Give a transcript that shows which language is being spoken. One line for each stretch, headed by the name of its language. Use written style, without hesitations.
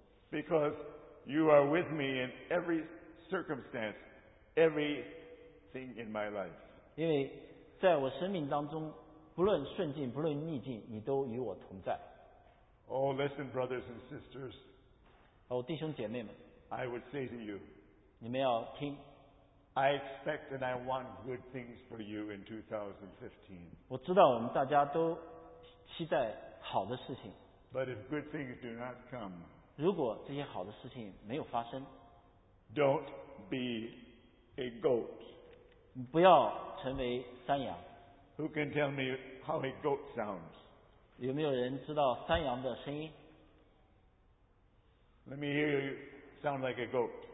English: Because you are with me in every circumstance, everything in my life.
Chinese: 因为在我生命当中，不论顺境，不论逆境，你都与我同在。
English: Oh, listen, brothers and sisters.
Chinese: 哦，弟兄姐妹们。
English: I would say to you.
Chinese: 你们要听。
English: I expect and I want good things for you in 2015.
Chinese: 我知道我们大家都期待好的事情。
English: But if good things do not come,
Chinese: 如果这些好的事情没有发生，
English: don't be a goat.
Chinese: 不要成为山羊。
English: Who can tell me how a goat sounds?
Chinese: 有没有人知道山羊的声音？
English: Let me hear you sound like a goat.